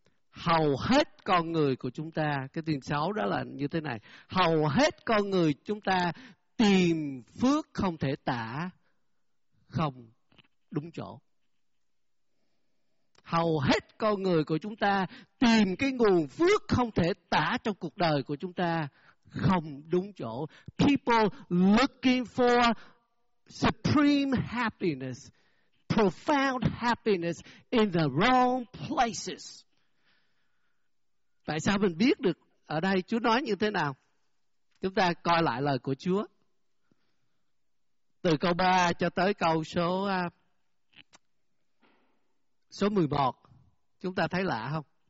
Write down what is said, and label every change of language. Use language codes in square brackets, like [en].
[vi] Hầu hết con người của chúng ta, cái tin xấu đó là như thế này: hầu hết con người chúng ta tìm phước không thể tả không đúng chỗ. Hầu hết con người của chúng ta tìm cái nguồn phước không thể tả trong cuộc đời của chúng ta không đúng chỗ. [en] People looking for supreme happiness, profound happiness in the wrong places. [vi] Tại sao mình biết được ở đây Chúa nói như thế nào? Chúng ta coi lại lời của Chúa. Từ câu 3 cho tới câu số 11, chúng ta thấy lạ không?